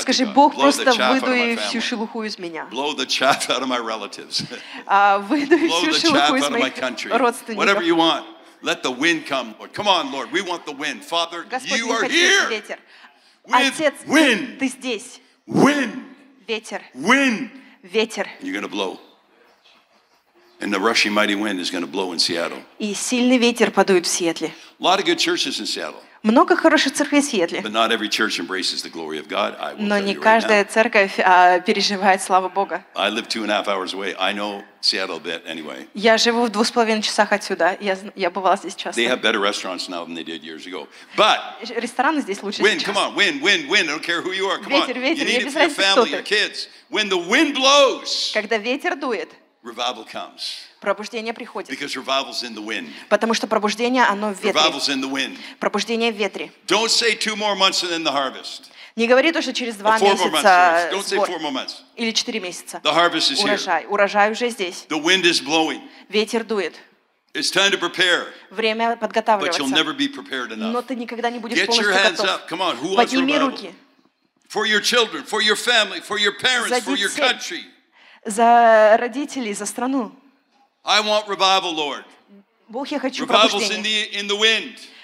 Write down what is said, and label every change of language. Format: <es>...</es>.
<ru>Скажи, Бог, просто выдуй всю шелуху из меня.</ru> <en>Blow the chaff out of my relatives.</en> <ru>Выдуй всю шелуху из</ru> <en>my country.</en> <ru>Родственников.</ru> <en>Whatever you want. Let the wind come, Lord. Come on, Lord. We want the wind. Father,</en> <ru>Господь,</ru> <en>you are here.</en> <ru>Ветер.</ru> <en>With</en> <ru>Отец,</ru> <en>wind.</en> <ru>Ты здесь.</ru> <en>Wind.</en> <ru>Ветер.</ru> <en>Wind.</en> <ru>Ветер.</ru> <en>And you're going to blow. And the rushing mighty wind is going to blow in Seattle.</en> <ru>И сильный ветер подует в Сиэтле.</ru> <en>A lot of good churches in Seattle.</en> <ru>Много хороших церквей в Сиэтле.</ru> <en>But not every church embraces the glory of God. I will tell you right</en> <ru>now. Но не каждая церковь переживает славу Бога.</ru> <en>I live 2.5 hours away. I know Seattle a bit anyway.</en> <ru>Я живу в 2.5 часах отсюда. Я бывал здесь часто.</ru> <en>They have better restaurants now than they did years ago. But</en> <ru>рестораны здесь лучше.</ru> <en>Wind, come on, wind. I don't care who you are. Come on.</en> <ru>Ветер, ветер.</ru> <en>You need it for your family, your kids. When the wind blows.</en> <ru>Когда ветер дует.</ru> <en>Revival comes.</en> <ru>Пробуждение приходит.</ru> <en>Because revival's in the wind.</en> <ru>Потому что пробуждение оно в ветре.</ru> <en>Revival's in the wind.</en> <ru>Пробуждение в ветре.</ru> <en>Don't say 2 more months and then the harvest.</en> <ru>Не говори то, что через 2 месяца.</ru> <en>Don't say 4 more months.</en> <ru>Или 4 месяца.</ru> <en>The harvest is here.</en> <ru>Урожай. Урожай уже здесь.</ru> <en>The wind is blowing.</en> <ru>Ветер дует.</ru> <en>It's time to prepare.</en> <ru>Время подготавливаться.</ru> <en>But you'll never be prepared enough.</en> <ru>Но ты никогда не будешь полностью готов.</ru> <en>Get your hands up. Come on. Who wants revival?</en> <ru>Подними руки.</ru> <en>For your children, for your family, for your parents, for your country.</en> <ru>За родителей, за страну.</ru> <en>I want revival, Lord.</en> <ru>Бог, я хочу</ru> <en>Revival's</en> <ru>пробуждение.</ru> <en>In the wind.</en>